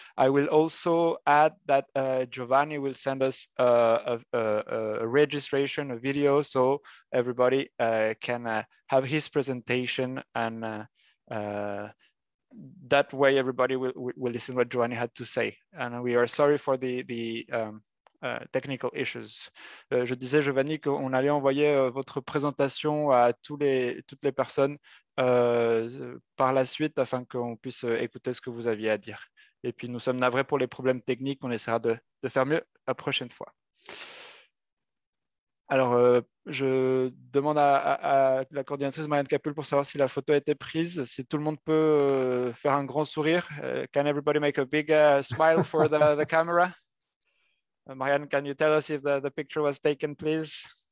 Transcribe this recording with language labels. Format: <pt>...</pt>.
<en>I will also add that Giovanni will send us a registration, a video, so everybody can have his presentation, and that way everybody will listen what Giovanni had to say. And we are sorry for the technical issues.</en> <fr>Je disais, Giovanni, qu'on allait envoyer votre présentation à toutes les personnes par la suite afin qu'on puisse écouter ce que vous aviez à dire. Et puis, nous sommes navrés pour les problèmes techniques. On essaiera de faire mieux la prochaine fois. Alors, je demande à la coordinatrice Marianne Capul pour savoir si la photo a été prise, si tout le monde peut faire un grand sourire.</fr> <en>Can everybody make a big smile for the camera? Marianne, can you tell us if the picture was taken, please?</en>